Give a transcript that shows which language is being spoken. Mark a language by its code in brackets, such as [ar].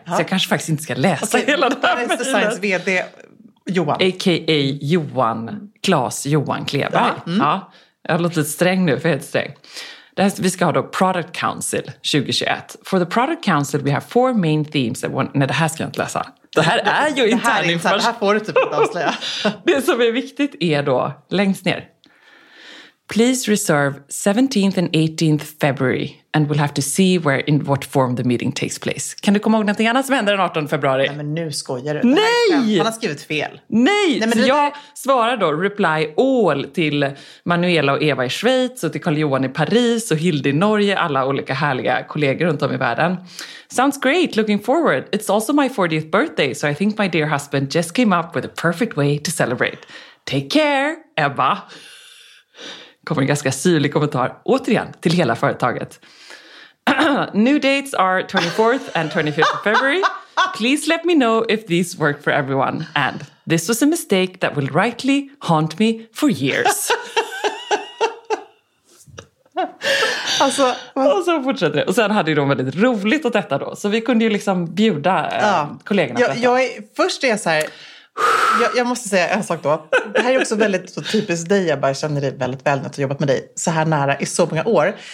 [sv] Så jag kanske faktiskt inte ska läsa hela det här mejlet. Designs VD Johan. A.k.a. Johan, Claes Johan Kleberg. Ja. Mm. Ja. Jag har låtit sträng nu, för jag heter sträng. Vi ska ha då Product Council 2021. [en] For the Product Council, we have 4 main themes that want... [sv] Nej, det här ska jag inte läsa. Det här är ju intern information. Det här får du typ inte avslöja. Det som är viktigt är då, längst ner. [en] Please reserve 17th and 18th February and we'll have to see where in what form the meeting takes place. [sv] Kan du komma ihåg någonting annat som händer den 18 februari? Nej, men nu skojar du. Nej! Han har skrivit fel. Nej! Nej, men jag svarar då [en] reply all [sv] till Manuela och Eva i Schweiz och till Carl Johan i Paris och Hilde i Norge, alla olika härliga kollegor runt om i världen. [en] Sounds great, looking forward. It's also my 40th birthday, so I think my dear husband just came up with a perfect way to celebrate. Take care, Ebba! [sv] Kommer en ganska syrlig kommentar, återigen, till hela företaget. [en] New dates are 24th and 25th of February. Please let me know if these work for everyone. And this was a mistake that will rightly haunt me for years. [sv] Alltså, och så fortsätter det. Och sen hade ju de väldigt roligt åt detta då. Så vi kunde ju liksom bjuda kollegorna på detta. Först är jag så här... Jag måste säga en sak då. Det här är också väldigt så typiskt dig. Jag bara känner dig väldigt väl när jag har jobbat med dig så här nära i så många år.